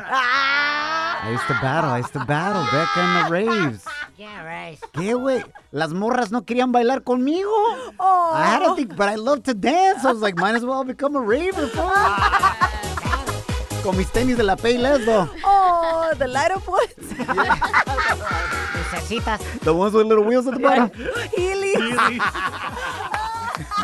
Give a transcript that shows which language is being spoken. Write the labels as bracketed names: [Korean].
[English] I used to battle Becca in the raves. Yeah, right. [Spanish] ¿Qué, güey? Las morras no querían bailar conmigo. [English] Aww. I had to think, but I love to dance. I was like, might as well become a raver, fool. [Spanish] Con mis tenis de la Payless, though. [English] Oh, the light up ones. [Spanish] Necesitas. [English] The ones with little wheels at the bottom. Heelys.